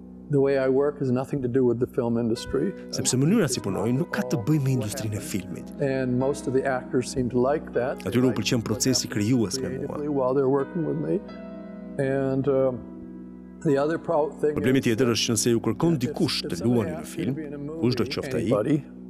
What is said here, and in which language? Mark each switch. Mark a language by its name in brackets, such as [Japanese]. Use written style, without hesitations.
[English] The way I work has nothing to do with the film industry. [Albanian] Sepse mënyra si punoj nuk ka të bëjë me industrinë e filmit. [English] And most of the actors seem to like that. [Albanian] Aty u pëlqen procesi krijues me mua. [English] While they're working with me. And the other thing. [Albanian] Problemi tjetër është nëse ju kërkon dikush të luani në film, kushdo qoftë ai.